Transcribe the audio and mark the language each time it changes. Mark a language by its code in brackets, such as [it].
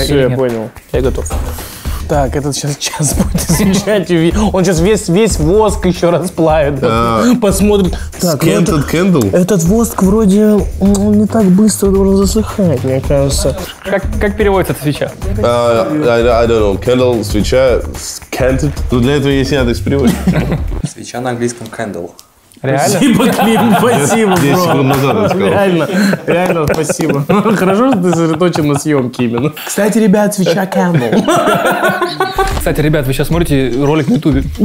[ru] или нет? А, все, я понял. Я готов. Так, этот сейчас час будет свечать. Он сейчас весь воск еще расплавит. Посмотрит. [en] Scented candle? [ru] Этот воск вроде не так быстро должен засыхать, мне кажется. Как переводится эта свеча? [en] I don't know. Candle, свеча, scented. [ru] Ну, для этого есть Яндекс перевод. Свеча на английском candle. Реально? Спасибо, Клин, спасибо, бро. 10 секунд назад я сказал. Реально, спасибо. Хорошо, что ты сосредоточен на съемке именно. Кстати, ребят, свеча candle. Кстати, ребят, вы сейчас смотрите ролик на ютубе.